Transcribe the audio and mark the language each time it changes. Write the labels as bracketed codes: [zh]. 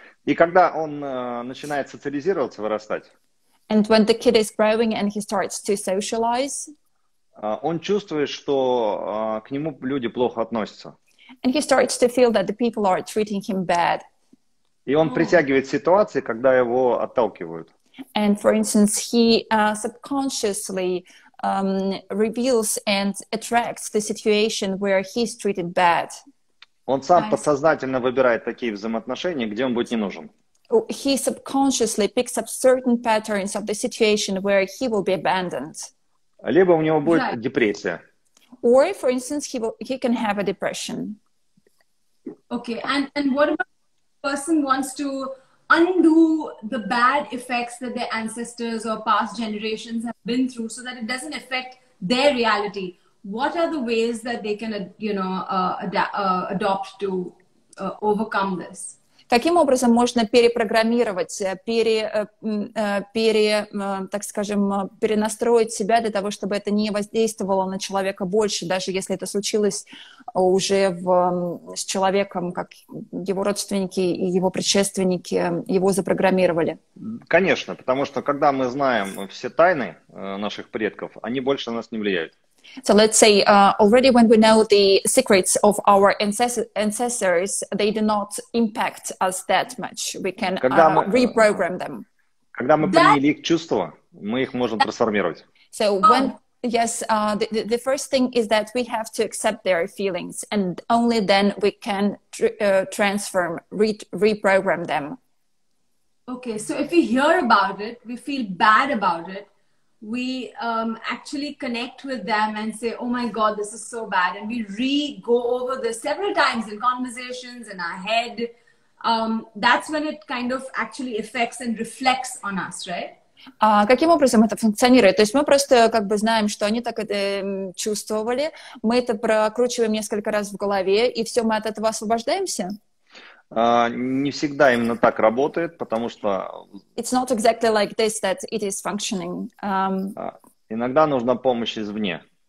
[ru] И когда он начинает социализироваться, вырастать, [en] and when the kid is growing and he starts to socialize, [ru] он чувствует, что к нему люди плохо относятся. [en] And he starts to feel that the people are treating him bad. [ru] И он притягивает ситуации, когда его отталкивают. [en] And for instance, he subconsciously reveals and attracts the situation where he's treated bad. [ru] Он сам подсознательно выбирает такие взаимоотношения, где он будет не нужен. [en] He subconsciously picks up certain patterns of the situation where he will be abandoned. [ru] Либо у него будет депрессия. [en] Or, for instance, he can have a depression. Okay, and what about the person wants to undo the bad effects that their ancestors or past generations have been through so that it doesn't affect their reality? What are the ways that they can, you know, adopt to overcome this? [ru] Каким образом можно перепрограммировать, так скажем, перенастроить себя для того, чтобы это не воздействовало на человека больше, даже если это случилось уже с человеком, как его родственники и его предшественники его запрограммировали? Конечно, потому что когда мы знаем все тайны наших предков, они больше на нас не влияют. [en] So let's say already when we know the secrets of our ancestors, they do not impact us that much. We can reprogram them. [ru] Когда мы поняли их чувства, мы их можем трансформировать. [en] So when the first thing is that we have to accept their feelings, and only then we can reprogram them. Okay, so if we hear about it, we feel bad about it. We actually connect with them and say, oh my God, this is so bad. And we re-go over this several times in conversations, in our head. That's when it kind of actually affects and reflects on us, right? [ru] Каким образом это функционирует? То есть мы просто как бы знаем, что они так это чувствовали. Мы это прокручиваем несколько раз в голове, и все, мы от этого освобождаемся? Не всегда именно так работает, потому что [en] it's not exactly like this that it is functioning. [ru] Иногда нужна помощь извне.